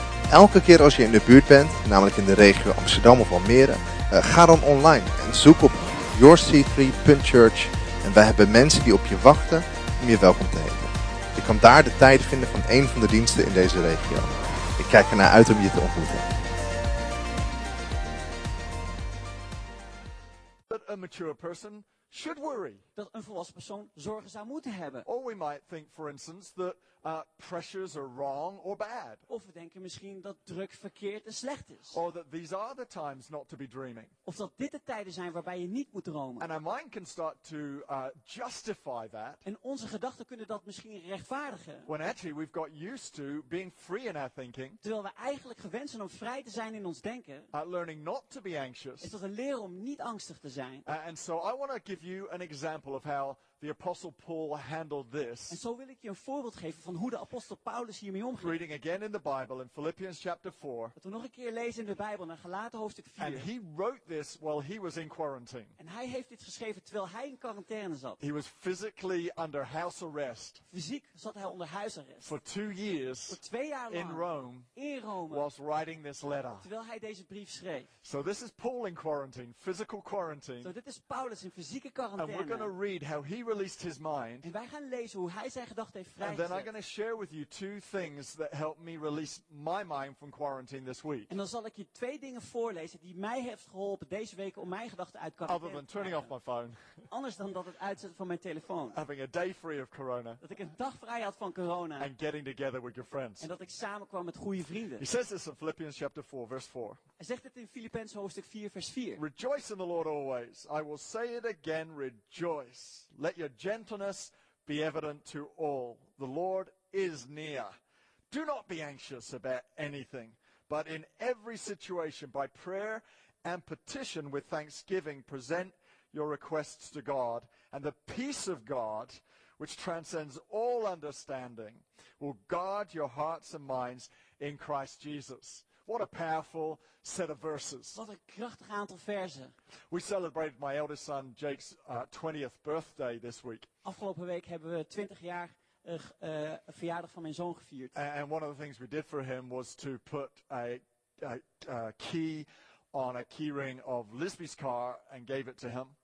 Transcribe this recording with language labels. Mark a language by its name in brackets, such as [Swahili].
[Dutch] Elke keer als je in de buurt bent, namelijk in de regio Amsterdam of Almere, ga dan online en zoek op yourc3.church en wij hebben mensen die op je wachten om je welkom te heten. Je kan daar de tijd vinden van een van de diensten in deze regio. Ik kijk ernaar uit om je te ontmoeten. [English] Mature person should worry. [Dutch] Dat een volwassen persoon zorgen zou moeten hebben. [English] Or we might think, for instance, that pressures are wrong or bad. [Dutch] Of we denken misschien dat druk verkeerd en slecht is. [English] Or that these are the times not to be dreaming. [Dutch] Of dat dit de tijden zijn waarbij je niet moet dromen. [English] And our mind can start to justify that. [Dutch] En onze gedachten kunnen dat misschien rechtvaardigen. [English] When actually we've got used to being free in our thinking. [Dutch] Terwijl we eigenlijk gewend zijn om vrij te zijn in ons denken. [English] Learning not to be anxious. [Dutch] Is dat een leer om niet angstig te zijn. [English] And so I want to give you an example of how the apostle Paul handled this. [Dutch] En zo wil ik je een voorbeeld geven van hoe de apostel Paulus hiermee omging. [English] Reading again in the Bible in Philippians chapter 4. [Dutch] Dat we nog een keer lezen in de Bijbel naar Galaten hoofdstuk 4. [English] And he wrote this while he was in quarantine. [Dutch] En hij heeft dit geschreven terwijl hij in quarantaine zat. [English] He was physically under house arrest. [Dutch] Fysiek zat hij onder huisarrest. [English] For 2 years. [Dutch] Voor 2 jaar lang. [English] In Rome. [Dutch] In Rome. [English] Whilst writing this letter. [Dutch] Terwijl hij deze brief schreef. [English] So this is Paul in quarantine, physical quarantine. [Dutch] Zo, dit is Paulus in fysieke quarantaine. [English] And we're going to read how he released his mind. [Dutch] En wij gaan lezen hoe hij zijn gedachten heeft vrijgezet. [English] And then I'm going to share with you 2 things that helped me release my mind from quarantine this week. [Dutch] En dan zal ik je 2 dingen voorlezen die mij heeft geholpen deze week om mijn gedachten uit quarantaine. [English] Other than turning off my phone. [Dutch] Anders dan dat het uitzetten van mijn telefoon. [English] Having a day free of corona. [Dutch] Dat ik een dag vrij had van corona. [English] And getting together with your friends. [Dutch] En dat ik samenkwam met goede vrienden. [English] He says this in Philippians chapter 4, verse 4. [Dutch] Hij zegt het in Filippenzen hoofdstuk 4, vers 4. [English] Rejoice in the Lord always. I will say it again, rejoice. Let your gentleness be evident to all. The Lord is near. Do not be anxious about anything, but in every situation, by prayer and petition with thanksgiving, present your requests to God, and the peace of God, which transcends all understanding, will guard your hearts and minds in Christ Jesus. What a powerful set of verses. [Dutch] Wat een krachtig aantal verzen. [English] We celebrated my eldest son Jake's 20th birthday this week. [Dutch] Afgelopen week hebben we 20 jaar verjaardag van mijn zoon gevierd. [English] And one of the things we did for him was to put a key on a keyring of Lisby's car and gave it to him.